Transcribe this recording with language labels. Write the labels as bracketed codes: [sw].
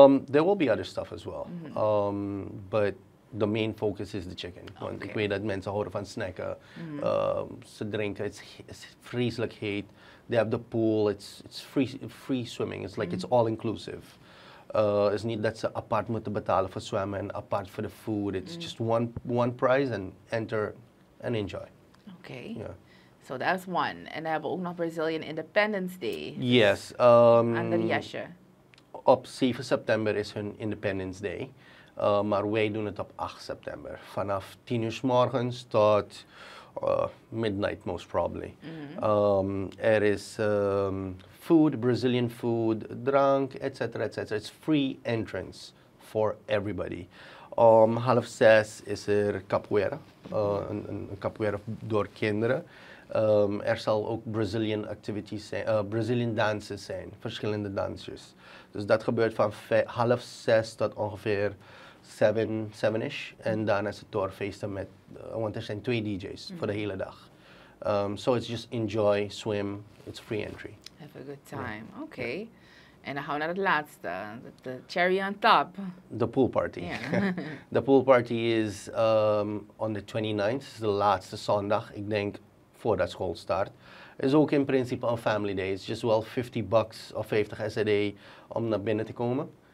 [en] There will be other stuff as well. But the main focus is the chicken. Okay. [nl] Want ik weet dat mensen houden van snacken. Ze drinken, [en] it's [nl] vreselijk heet. [en] They have the pool, it's free swimming. It's like it's all inclusive. It's not that [nl] ze apart moeten betalen voor zwemmen en apart voor de food. [en] It's just one prize and enter and enjoy. Okay. Yeah. So that's one. And I have [nl] ook nog [en] Brazilian Independence Day. Yes. Under Yesha. [nl] Op 7 september is hun Independence Day. Maar wij doen het op 8 september. Vanaf 10 uur morgens tot [en] midnight most probably. [nl] Er is food, Brazilian food, drank, etc. etc. [en] It's free entrance for everybody. [nl] Om 5:30 is er capoeira. Een capoeira door kinderen. Er zal ook Brazilian activities zijn, Brazilian dances zijn, verschillende dansjes. Dus dat gebeurt van 5:30 tot ongeveer 7-ish. En dan is het door feesten met, want er zijn 2 DJ's voor de hele dag. [en] So it's just enjoy, swim, it's free entry. Have a good time. Yeah. Oké. Okay. [nl] En dan gaan we naar het laatste. [en] The cherry on top. The pool party. Yeah. The pool party is on the 29th, [nl] de laatste zondag, ik denk voordat school start. Is ook in principe een family day. [en] It's just [nl] wel $50 of 50 SAD om naar binnen te komen.